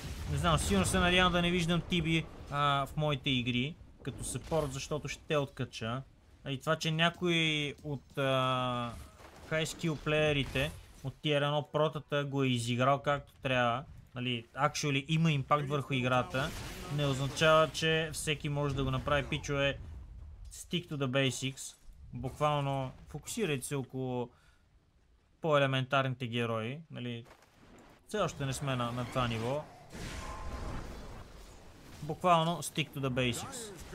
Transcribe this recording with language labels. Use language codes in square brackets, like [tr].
[bg] Не знам, сигурно се надявам да не виждам Тиби в моите игри като сапорт, защото ще те откача. И това, че някой от high skill плеерите от Tier 1 протата го е изиграл както трябва, нали, actually има импакт върху играта, не означава, че всеки може да го направи. Пичове, [en] stick to the basics. [bg] Буквално фокусирайте се около по-елементарните герои, нали, все още не сме на това ниво. Буквално [en] stick to the basics.